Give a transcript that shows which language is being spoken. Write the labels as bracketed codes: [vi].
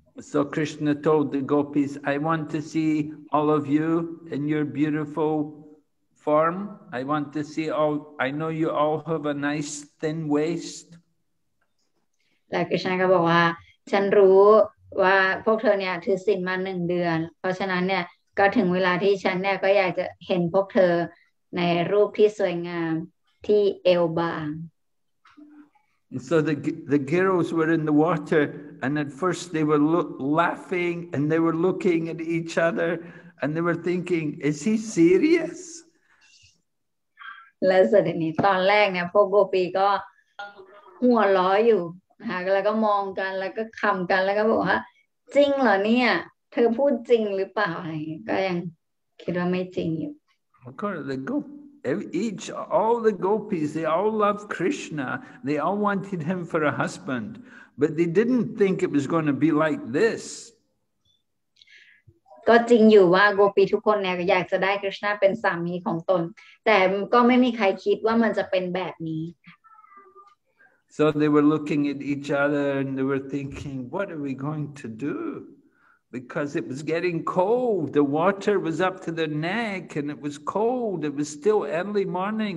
[en] So Krishna told the gopis I want to see all of you in your beautiful form I want to see all I know you all have a nice thin waist [th] และ Krishna ก็บอกว่าฉันรู้ว่าพวกเธอเนี่ยถือศีลมา1เดือนเพราะฉะนั้นเนี่ยก็ถึงเวลาที่ฉันเนี่ยก็อยากจะเห็นพวกเธอในรูปที่สวยงามที่เอวบาง [en] And so the girls were in the water, and at first they were laughing, and they were looking at each other, and they were thinking, is he serious? [th] แล้วเสร็จนี้ตอนแรกเนี่ยพวกโกปีก็หัวล้ออยู่ฮะแล้วก็มองกันแล้วก็คำกันแล้วก็บอกว่าจริงเหรอเนี่ยเธอพูดจริงหรือเปล่าอะไรก็ยังคิดว่าไม่จริงอยู่ [en] Of course, they go. Each, all the gopis, they all loved Krishna. They all wanted him for a husband. But they didn't think it was going to be like this. [th] ก็จริงอยู่ว่าโกปีทุกคนเนี่ยอยากจะได้คริชนาเป็นสามีของตนแต่ก็ไม่มีใครคิดว่ามันจะเป็นแบบนี้ [en] So they were looking at each other and they were thinking, what are we going to do? Because it was getting cold, the water was up to their neck, and it was cold. It was still early morning.